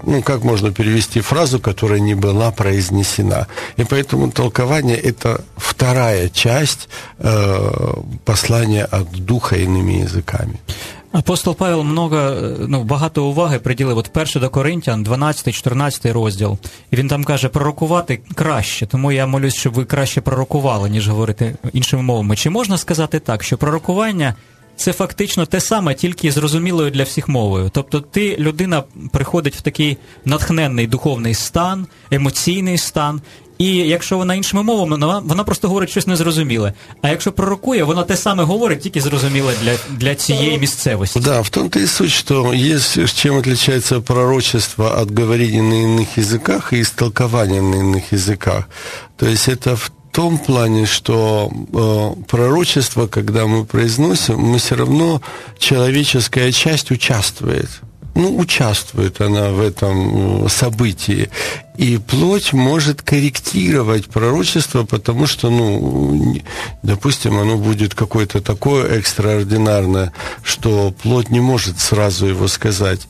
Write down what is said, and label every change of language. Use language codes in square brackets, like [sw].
[ru] Ну, как можно перевести фразу, которая не была произнесена? И поэтому толкование – это вторая часть послания от Духа иными языками. Апостол Павел много, [uk] ну, багато уваги приділив от 1 до Коринтян, 12-14 розділ. І він там каже: пророкувати краще, тому я молюсь, щоб ви краще пророкували, ніж говорити іншими мовами. Чи можна сказати так, що пророкування – це фактично те саме, тільки зрозумілою для всіх мовою? Тобто ти, людина, приходить в такий натхненний духовний стан, емоційний стан, і якщо вона іншими мовами, вона просто говорить щось незрозуміле. А якщо пророкує, вона те саме говорить, тільки зрозуміле для цієї місцевості. Да, в тому то і суть, що є, чим відрізняється пророчество від говорення на інших язиках і істолкування на інших язиках. Тобто це [ru] в том плане, что пророчество, когда мы произносим, мы все равно, человеческая часть участвует. Ну, участвует она в этом событии. И плоть может корректировать пророчество, потому что, ну, допустим, оно будет какое-то такое экстраординарное, что плоть не может сразу его сказать.